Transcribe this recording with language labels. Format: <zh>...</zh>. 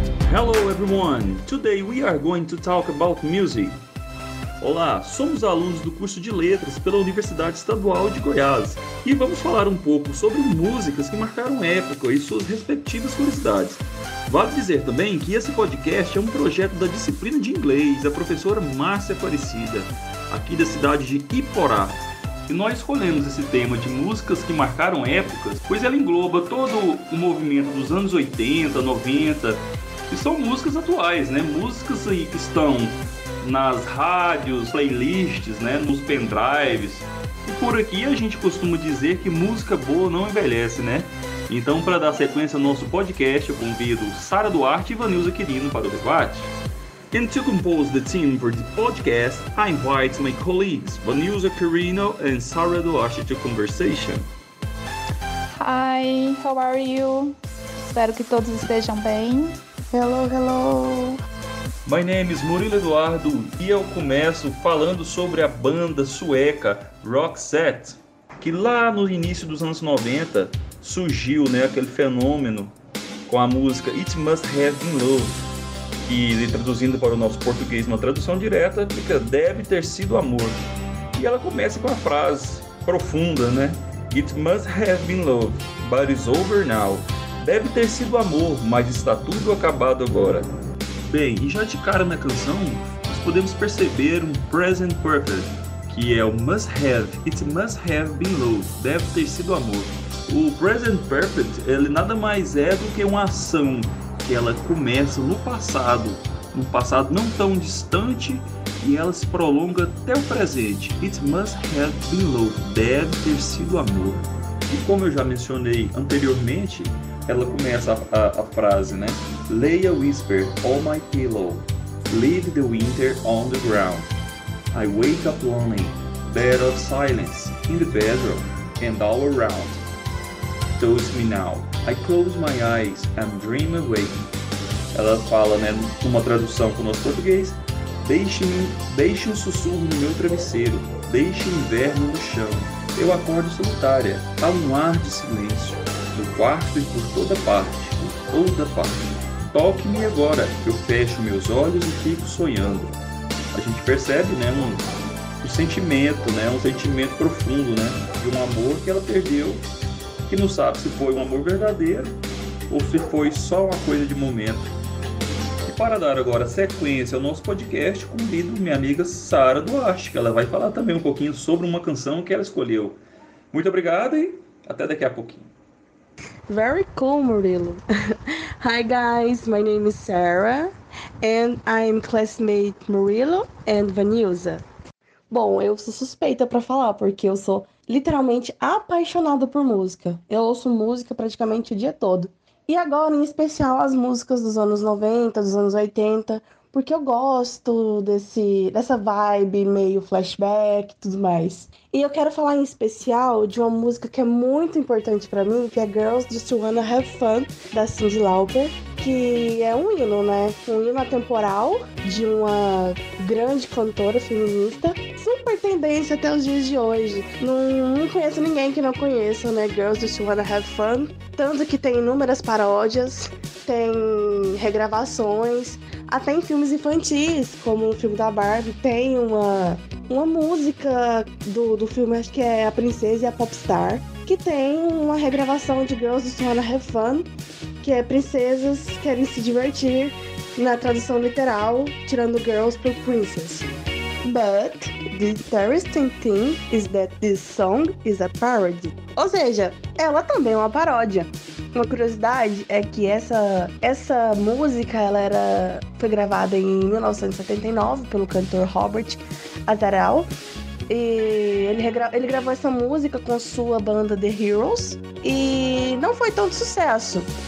<en>Hello everyone, today we are going to talk about music.</en> <pt>Olá, somos alunos do curso de Letras pela Universidade Estadual de Goiás e vamos falar um pouco sobre músicas que marcaram época e suas respectivas curiosidades. Vale dizer também que esse podcast é um projeto da disciplina de inglês da professora Márcia Aparecida, aqui da cidade de Iporá. E nós escolhemos esse tema de músicas que marcaram época, pois ela engloba todo o movimento dos anos 80, 90, que são músicas atuais, né? Músicas aí que estão nas rádios, playlists, né, nos pendrives. E por aqui a gente costuma dizer que música boa não envelhece, né? Então, para dar sequência ao nosso podcast, eu convido Sara Duarte e Vanilza Quirino para o debate.</pt> <en>And to compose the team for the podcast, I invite my colleagues, Vanilza Quirino and Sara Duarte, to conversation. Hi, how are you?</en> <pt>Espero que todos estejam bem.</pt> <en>Hello, hello. My name is</en> <pt>Murilo Eduardo e eu começo falando sobre a banda sueca Roxette, que lá no início dos anos 90 surgiu, né, aquele fenômeno com a música It Must Have Been Love, e traduzindo para o nosso português uma tradução direta fica Deve Ter Sido Amor. E ela começa com a frase profunda, né?</pt> <en>It Must Have Been Love, but it's over now.</en> <pt>Deve ter sido amor, mas está tudo acabado agora. Bem, e já de cara na canção, nós podemos perceber um present perfect, que é o must have,</pt> <en>it must have been love,</en> <pt>deve ter sido amor. O present perfect, ele nada mais é do que uma ação que ela começa no passado não tão distante, e ela se prolonga até o presente.</pt> <en>It must have been love,</en> <pt>deve ter sido amor. E como eu já mencionei anteriormente, ela começa a frase, né?</pt> <en>Lay a whisper on my pillow, leave the winter on the ground. I wake up lonely, bed of silence, in the bedroom and all around. Toast me now, I close my eyes and dream awake.</en> <pt>Ela fala, né, uma tradução para o nosso português, deixe um sussurro no meu travesseiro, deixe o inverno no chão. Eu acordo solitária, há um ar de silêncio. No quarto e por toda parte, por toda parte. Toque-me agora, eu fecho meus olhos e fico sonhando. A gente percebe, né, um sentimento, né, um sentimento profundo, né, de um amor que ela perdeu, que não sabe se foi um amor verdadeiro ou se foi só uma coisa de momento. E para dar agora sequência ao nosso podcast, convido minha amiga Sara Duarte, que ela vai falar também um pouquinho sobre uma canção que ela escolheu. Muito obrigado e até daqui a pouquinho.</pt> <en>Very cool, Murilo. Hi guys, my name is Sarah and I'm classmate Murilo and Vanilza.</en> <pt>Bom, eu sou suspeita pra falar porque eu sou literalmente apaixonada por música. Eu ouço música praticamente o dia todo. E agora, em especial, as músicas dos anos 90, dos anos 80, porque eu gosto dessa vibe meio flashback e tudo mais. E eu quero falar em especial de uma música que é muito importante pra mim, que é Girls Just Wanna Have Fun, da Cyndi Lauper, que é um hino, né? Um hino atemporal de uma grande cantora feminista, super tendência até os dias de hoje. Não conheço ninguém que não conheça, né? Girls Just Wanna Have Fun. Tanto que tem inúmeras paródias, tem regravações, até em filmes infantis, como o filme da Barbie, tem uma música do filme, acho que é A Princesa e a Popstar, que tem uma regravação de Girls Just Wanna Have Fun, que é Princesas Querem Se Divertir, na tradução literal, tirando Girls por Princess.</pt> <en>But the interesting thing is that this song is a parody.</en> <pt>Ou seja, ela também é uma paródia. Uma curiosidade é que essa música foi gravada em 1979 pelo cantor Robert Azarel. E ele gravou essa música com sua banda The Heroes e não foi tanto sucesso.</pt>